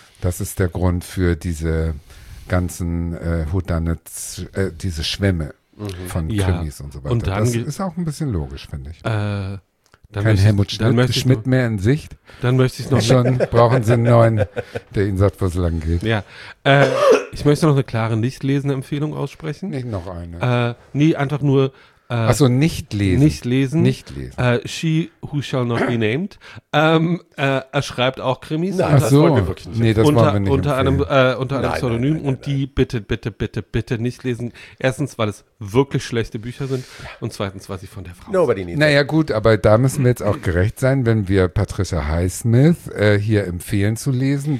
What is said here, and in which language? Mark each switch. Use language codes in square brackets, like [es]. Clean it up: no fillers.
[de] Das ist der Grund für diese ganzen Whodunits, diese Schwämme von Krimis und so weiter. Und dann das ist auch ein bisschen logisch, finde ich. Helmut Schmidt mehr in Sicht. Dann möchte ich noch. Schon brauchen Sie einen neuen, der Ihnen sagt, wo es lang geht. Ja. Ich möchte noch eine klare Nicht-Lesen-Empfehlung aussprechen. Nicht noch eine. Nee, einfach nur. Achso, nicht lesen. Nicht lesen. Nicht lesen. [en] She Who Shall Not Be Named. [de] Er schreibt auch Krimis. Ach so. Nee, das wollen wir nicht. Unter einem Pseudonym. Bitte nicht lesen. Erstens, weil es wirklich schlechte Bücher sind. Und zweitens, weil sie von der Frau sind. [en] Nobody needs. [de] Naja, gut, aber da müssen wir jetzt auch gerecht sein, wenn wir Patricia Highsmith hier empfehlen zu lesen.